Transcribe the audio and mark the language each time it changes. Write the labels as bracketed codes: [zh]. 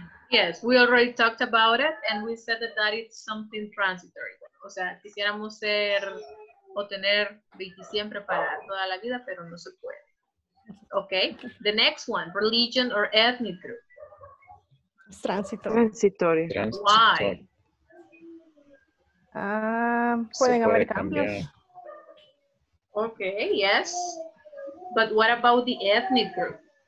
[en] Yes, we already talked about it and we said that that is something transitory. [es] O sea, quisiéramos ser o tener 20 siempre para toda la vida, pero no se puede. [en] Okay, the next one, religion or ethnic group? Transitor. Transitory. Why? [es] Pueden haber cambios. [en] Okay, yes. But what about the ethnic group?